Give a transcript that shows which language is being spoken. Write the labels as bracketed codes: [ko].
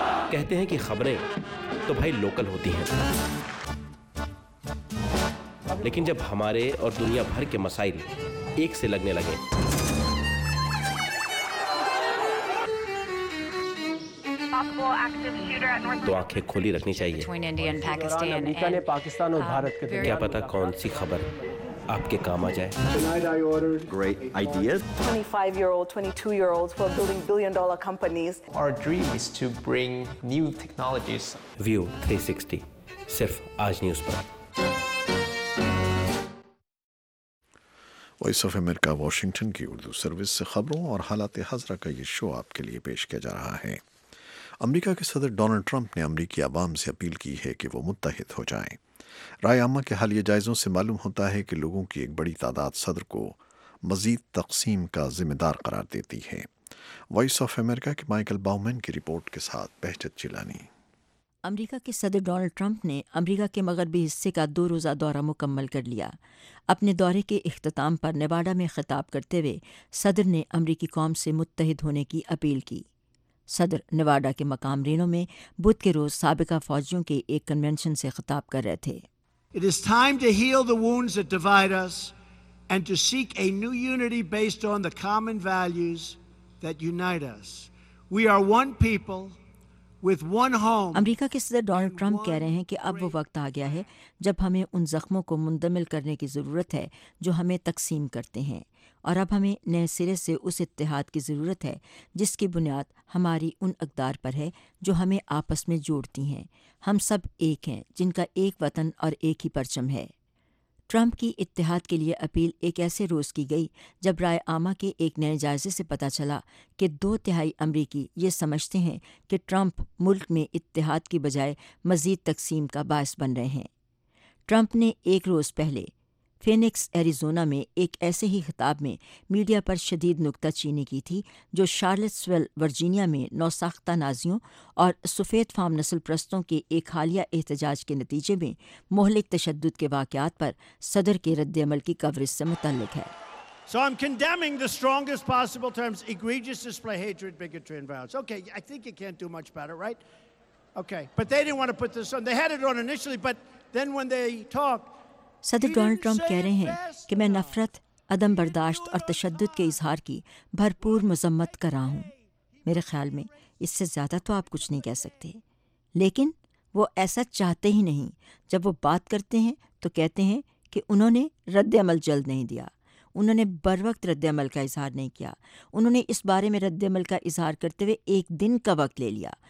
[ur] کہتے ہیں کہ خبریں تو بھائی لوکل ہوتی ہیں، لیکن جب ہمارے اور دنیا بھر کے مسائل ایک سے لگنے لگے تو آنکھیں کھولی رکھنی چاہیے۔ پاکستان اور بھارت کے کیا پتا کون سی خبر آپ کے کام آ جائے۔ [en] Great ideas. 25-year-old, 22-year-olds who are building billion-dollar companies. Our dream is to bring new technologies. View 360. [ur] صرف آج news per. Voice of America Washington کی اردو سروس سے خبروں اور حالات حاضرہ کا یہ شو آپ کے لیے پیش کیا جا رہا ہے۔ امریکہ کے صدر ڈونلڈ ٹرمپ نے امریکی عوام سے اپیل کی ہے کہ وہ متحد ہو جائیں۔ رائے عامہ کے حالیہ جائزوں سے معلوم ہوتا ہے کہ لوگوں کی ایک بڑی تعداد صدر کو مزید تقسیم کا ذمہ دار قرار دیتی ہے۔ وائس آف امریکہ کے مائیکل باومین کی رپورٹ کے ساتھ بہجت چلانی۔ امریکہ کے صدر ڈونلڈ ٹرمپ نے امریکہ کے مغربی حصے کا 2 روزہ دورہ مکمل کر لیا۔ اپنے دورے کے اختتام پر نیواڈا میں خطاب کرتے ہوئے صدر نے امریکی قوم سے متحد ہونے کی اپیل کی۔ صدر نیواڈا کے مقام رینو میں بدھ کے روز سابقہ فوجیوں کے ایک کنونشن سے خطاب کر رہے تھے۔ [en] It is time to heal the wounds that divide us and to seek a new unity based on the common values that unite us. We are one people with one home. [ur] امریکہ کے صدر Donald Trump کہہ رہے ہیں کہ اب وہ وقت آ گیا ہے جب ہمیں ان زخموں کو مندمل کرنے کی ضرورت ہے جو ہمیں تقسیم کرتے ہیں، اور اب ہمیں نئے سرے سے اس اتحاد کی ضرورت ہے جس کی بنیاد ہماری ان اقدار پر ہے جو ہمیں آپس میں جوڑتی ہیں۔ ہم سب ایک ہیں جن کا ایک وطن اور ایک ہی پرچم ہے۔ ٹرمپ کی اتحاد کے لیے اپیل ایک ایسے روز کی گئی جب رائے عامہ کے ایک نئے جائزے سے پتہ چلا کہ 2/3 امریکی یہ سمجھتے ہیں کہ ٹرمپ ملک میں اتحاد کی بجائے مزید تقسیم کا باعث بن رہے ہیں۔ ٹرمپ نے ایک روز پہلے فینکس ایریزونا میں ایک ایسے ہی خطاب میں میڈیا پر شدید نکتہ چینی کی تھی جو شارلٹسویل ورجینیا میں نوساختہ نازیوں اور سفید فام نسل پرستوں کے ایک حالیہ احتجاج کے نتیجے میں مہلک تشدد کے واقعات پر صدر کے رد عمل کی کوریج سے متعلق ہے۔ [en] So I'm condemning the strongest possible terms, egregious display, hatred, bigotry and violence. Okay, I think you can't do much better, right? Okay, but they didn't want to put this on. They had it on initially, but then when they talked, [ur] صدر Donald Trump کہہ رہے ہیں کہ میں نفرت، عدم برداشت اور تشدد کے اظہار کی بھرپور مذمت کر رہا ہوں. میرے خیال میں اس سے زیادہ تو آپ کچھ نہیں کہہ سکتے. لیکن وہ ایسا چاہتے ہی نہیں. جب وہ بات کرتے ہیں تو کہتے ہیں کہ انہوں نے رد عمل جلد نہیں دیا, انہوں نے بر وقت رد عمل کا اظہار نہیں کیا, انہوں نے اس بارے میں رد عمل کا اظہار کرتے ہوئے ایک دن کا وقت لے لیا.